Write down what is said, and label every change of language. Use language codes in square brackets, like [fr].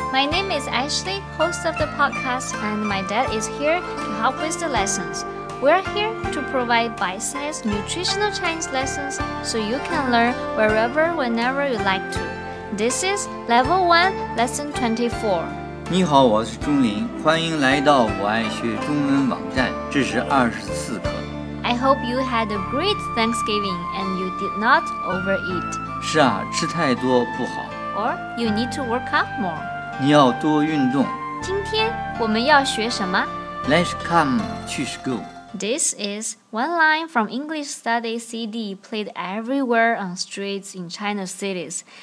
[en] My name is Ashley, host of the podcast, and my dad is here to help with the lessons. We're here to provide bite-sized nutritional Chinese lessons so you can learn wherever, whenever you like to. This is Level 1, Lesson 24. [zh] 你好，我是钟林，欢迎来到我爱学中文网站，这是24课。 [en] I hope you had a great Thanksgiving and you did not overeat. [zh] 是啊，吃太多不好。 [en] Or you need to work out more. [zh] 你要多运动。今天我们要学什么？ [en] Let's come, 去 school. This is one line from English Study CD played everywhere on streets in China's cities.